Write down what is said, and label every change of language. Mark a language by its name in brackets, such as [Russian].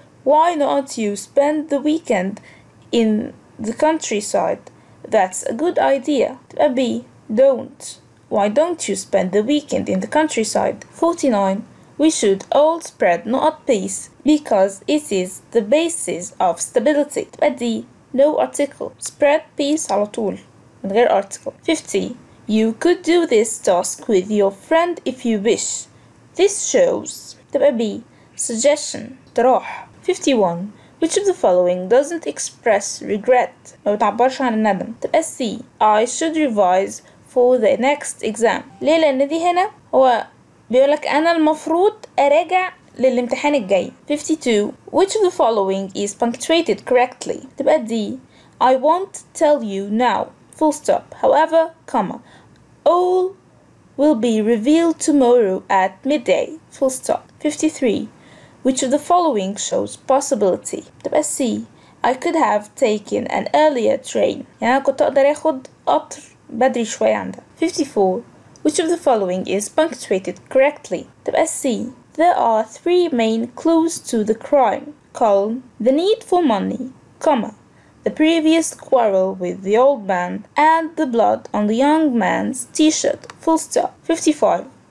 [English] Why not you spend the weekend in the countryside? That's a good idea. [Arabic] تبقى [English] B. Don't. Why don't you spend the weekend in the countryside? 49. We should all spread not peace because it is the basis of stability. [Arabic] تبقى [English] D. No article. Spread peace [Arabic] على طول من غير article. [English] 50. You could do this task with your friend if you wish. This shows. [Arabic] تبقى [English] B. Suggestion. [Arabic] اقتراح. [English] 51. Which of the following doesn't express regret? [Arabic] ما بتعبرش عن الندم. تبقى [English] C. I should revise for the next exam. [Arabic] ليه؟ لأن دي هنا هو بيقولك أنا المفروض أراجع للامتحان الجاي. [English] 52. Which of the following is punctuated correctly? [Arabic] تبقى [English] D. I won't tell you now. Full stop. However, comma. All will be revealed tomorrow at midday. Full stop. 53. Which of the following shows possibility? [Arabic] تبقى [English] C. I could have taken an earlier train. [Arabic] يعني أنا كنت أقدر أخد قطر بدري شوية عندها. [English] 54. Which of the following is punctuated correctly? [Arabic] تبقى [English] C. There are three main clues to the crime. Colon. The need for money. Comma. The previous quarrel with the old man. And the blood on the young man's t-shirt. Full stop. 55.